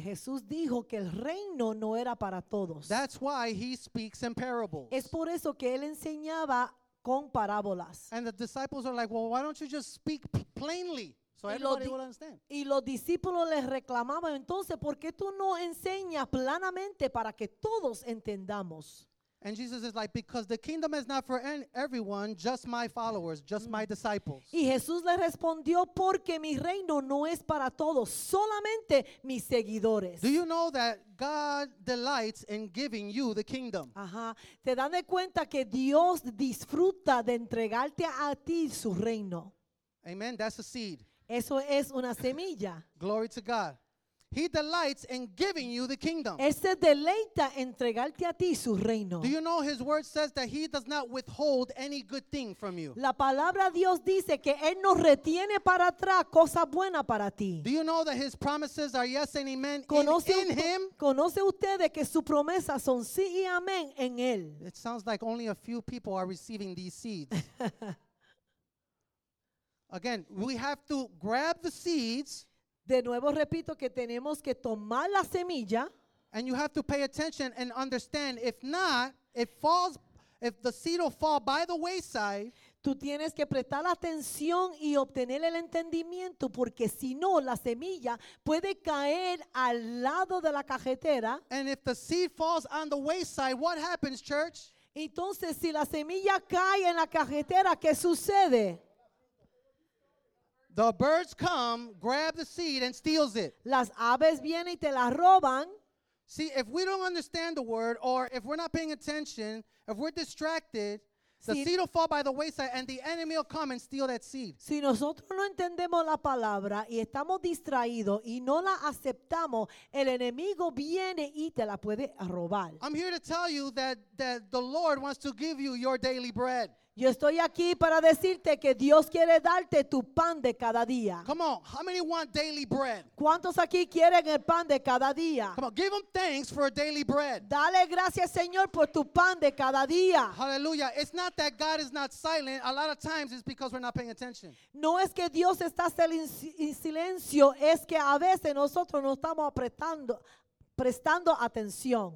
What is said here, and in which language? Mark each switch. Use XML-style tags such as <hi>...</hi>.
<es>Jesús dijo que el reino no era para todos.</es> <en>That's why he speaks in parables.</en> <es>Es por eso que él enseñaba con parábolas.</es> <en>And the disciples are like, well, why don't you just speak plainly so everybody will understand?</en> <es>Y los discípulos les reclamaban, entonces, ¿por qué tú no enseñas planamente para que todos entendamos?</es> <en>And Jesus is like, because the kingdom is not for everyone, just my followers, just my disciples.</en> <es>Y Jesús le respondió, porque mi reino no es para todos, solamente mis seguidores.</es> <en>Do you know that God delights in giving you the kingdom? Ajá.</en> <es>Te dan de cuenta que Dios disfruta de entregarte a ti su reino.</es> <en>Amen. That's a seed.</en> <es>Eso es una semilla.</es> <en>Glory to God. He delights in giving you the kingdom.</en> <es>Él se deleita entregarte a ti su reino.</es> <en>Do you know his word says that he does not withhold any good thing from you?</en> <es>La palabra Dios dice que él no retiene para atrás cosa buena para ti.</es> <en>Do you know that his promises are yes and amen in him?</en> <es>¿Conoce usted que sus promesas son sí y amén en él?</es> <en>It sounds like only a few people are receiving these seeds. Again, we have to grab the seeds.</en> <es>De nuevo repito que tenemos que tomar la semilla.</es> <en>And you have to pay attention and understand. If not, it falls, if the seed will fall by the wayside.</en> <es>Tú tienes que prestar atención y obtener el entendimiento, porque si no, la semilla puede caer al lado de la carretera.</es> <en>And if the seed falls on the wayside, what happens, church?</en> <es>Entonces, si la semilla cae en la carretera, ¿qué sucede?</es> <en>The birds come, grab the seed, and steals it.</en> <es>Las aves vienen y te la roban.</es> <en>See, if we don't understand the word, or if we're not paying attention, if we're distracted, si, the seed will fall by the wayside, and the enemy will come and steal that seed.</en> <es>Si nosotros no entendemos la palabra, y estamos distraídos, y no la aceptamos, el enemigo viene y te la puede robar.</es> <en>I'm here to tell you that the Lord wants to give you your daily bread.</en> <es>Yo estoy aquí para decirte que Dios quiere darte tu pan de cada día.</es> <en>Come on, how many want daily bread?</en> <es>¿Cuántos aquí quieren el pan de cada día?</es> <en>Come on, give them thanks for a daily bread.</en> <es>Dale gracias, Señor, por tu pan de cada día.</es> <en>Hallelujah. It's not that God is not silent. A lot of times it's because we're not paying attention.</en> <es>No es que Dios está en silencio, es que a veces nosotros no estamos prestando atención.</es>